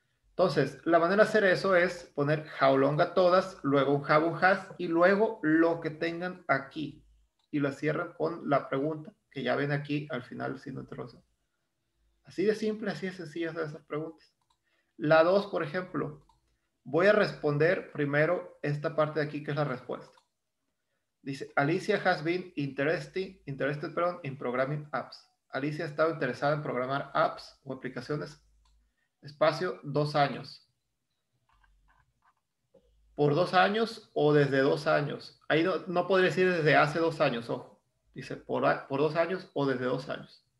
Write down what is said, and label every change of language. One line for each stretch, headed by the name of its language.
Spanish: Entonces, la manera de hacer eso es poner how long a todas, luego un have, un has, y luego lo que tengan aquí. Y la cierran con la pregunta, que ya ven aquí al final, signo de interrogación. Así de simple, así de sencillas son esas preguntas. La 2, por ejemplo, voy a responder primero esta parte de aquí que es la respuesta.
English: Dice, Alicia has been interested, perdón, in programming apps.
Spanish: Alicia ha estado interesada en programar apps o aplicaciones. Espacio, 2 años. ¿Por 2 años o desde 2 años? Ahí no podría decir desde hace 2 años, ojo. Dice, por 2 años o desde 2 años.